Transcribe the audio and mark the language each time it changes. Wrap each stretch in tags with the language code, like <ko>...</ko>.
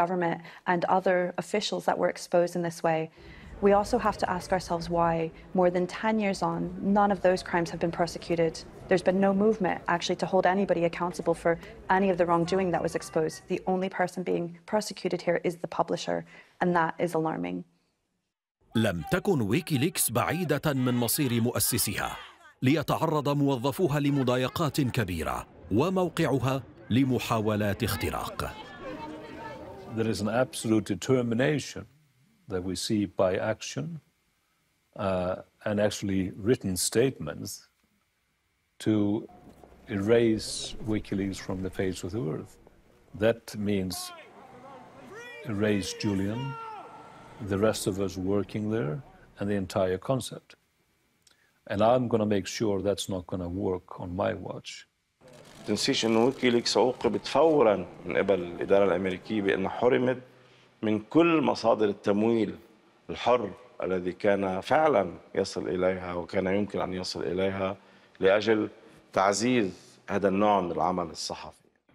<en>government and other officials that were exposed in this way. We also have to ask ourselves why, more than 10 years on, none of those crimes have been prosecuted. There's been no movement, actually, to hold anybody accountable for any of the wrongdoing that was exposed. The only person being prosecuted here is the publisher, and that is alarming.</en> <ar>لم تكن ويكيليكس بعيدة من مصير مؤسسها، ليتعرض موظفوها لمضايقات كبيرة وموقعها لمحاولات اختراق.</ar> <en>There is an absolute determination that we see by action and actually written statements to erase WikiLeaks from the face of the earth. That means erase Julian, the rest of us working there, and the entire concept. And I'm going to make sure that's not going to work on my watch.</en> <ar>تنسيش إنه ويكيليكس عوقبت فوراً من قبل الإدارة الأمريكية بأنها حرمت من كل مصادر التمويل الحر الذي كان فعلاً يصل إليها وكان يمكن أن يصل إليها لأجل تعزيز هذا النوع من العمل الصحفي.</ar>